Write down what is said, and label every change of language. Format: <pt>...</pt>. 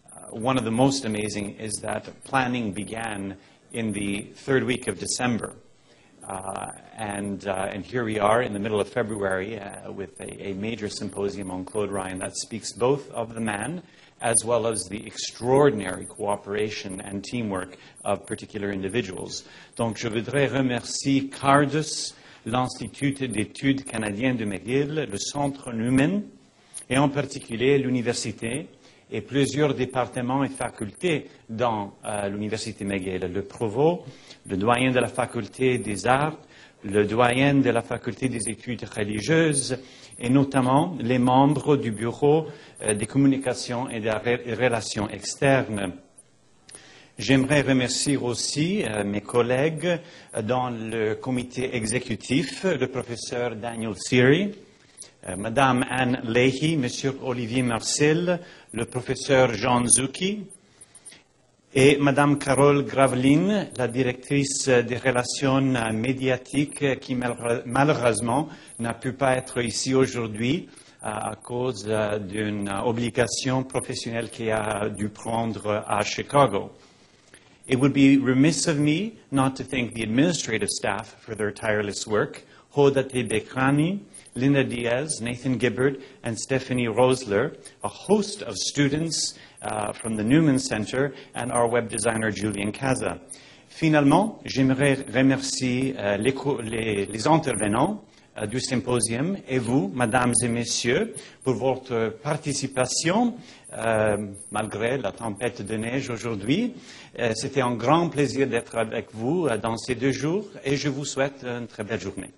<en>One of the most amazing is that planning began in the third week of December. And here we are in the middle of February with a major symposium on Claude Ryan that speaks both of the man as well as the extraordinary cooperation and teamwork of particular individuals.</en> <fr>Donc, je voudrais remercier CARDUS, l'Institut d'études canadiennes de McGill, le Centre Newman, et en particulier l'Université et plusieurs départements et facultés dans l'Université McGill, le Provost, le doyen de la faculté des arts, le doyen de la faculté des études religieuses, et notamment les membres du bureau des communications et des relations externes. J'aimerais remercier aussi mes collègues dans le comité exécutif, le professeur Daniel Seary, Madame Anne Leahy, Monsieur Olivier Marcel, le professeur Jean Zucchi, et Madame Carole Graveline, la directrice des relations médiatiques, qui malheureusement n'a pu pas être ici aujourd'hui à cause d'une obligation professionnelle qu'elle a dû prendre à Chicago.</fr> <en>It would be remiss of me not to thank the administrative staff for their tireless work, Hoda Tebekrani, Linda Diaz, Nathan Gibbard, and Stephanie Rosler, a host of students from the Newman Center, and our web designer, Julian Casa.</en> <fr>Finalement, j'aimerais remercier les intervenants du symposium et vous, mesdames et messieurs, pour votre participation malgré la tempête de neige aujourd'hui. C'était un grand plaisir d'être avec vous dans ces deux jours et je vous souhaite une très belle journée.</fr>